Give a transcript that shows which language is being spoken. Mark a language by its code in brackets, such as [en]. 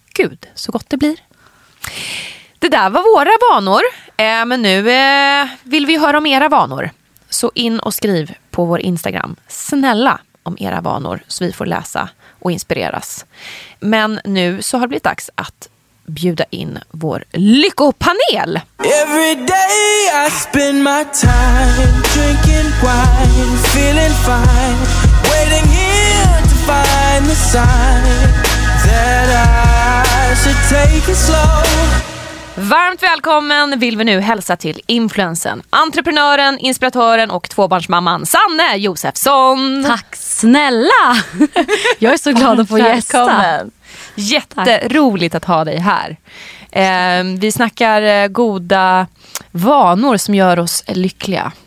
[sv] Gud, så gott det blir. Det där var våra vanor. Men nu vill vi höra om era vanor. Så in och skriv på vår Instagram. Snälla om era vanor så vi får läsa och inspireras. Men nu så har det blivit dags att bjuda in vår lyckopanel. [en] Every day I spend my time drinking wine, feeling fine, waiting here to find the sign that I should take it slow. [sv] Varmt välkommen vill vi nu hälsa till influensen, entreprenören, inspiratören och tvåbarnsmamman Sanne Josefsson. Tack snälla! Jag är så glad att få gästa. Jätteroligt att ha dig här. Vi snackar goda vanor som gör oss lyckliga.